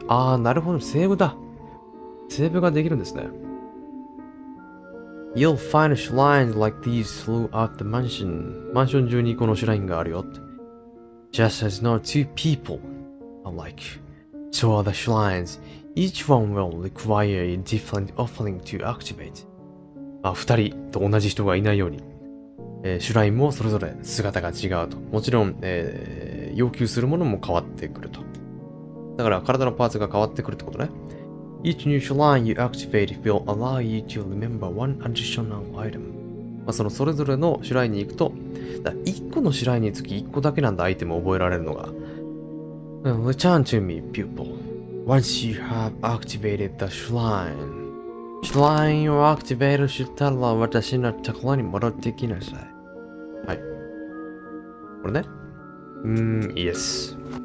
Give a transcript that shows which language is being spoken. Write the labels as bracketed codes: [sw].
[ja] ああ、なるほど、セーブだ。セーブができるんですね。 [en] You'll find shrines like these throughout the mansion. [ja] マンション中にこのシュラインがあるよって。 [en] Just as not two people alike, so are the shrines. Each one will require a different offering to activate. [ja] まあ、二人と同じ人がいないように、シュラインもそれぞれ姿が違うと。もちろん、要求するものも変わってくると。だから体のパーツが変わってくるってことね。 [en] Each new shrine you activate will allow you to remember one additional item. [ja] まあそのそれぞれのシュラインに行くと、だ1個のシュラインにつき1個だけなんだアイテムを覚えられるのが。 [en] Return to me, pupil. Once you have activated the shrine. [ja] Shrine を activate したら私のところに戻ってきなさい。はい。これね。Yes.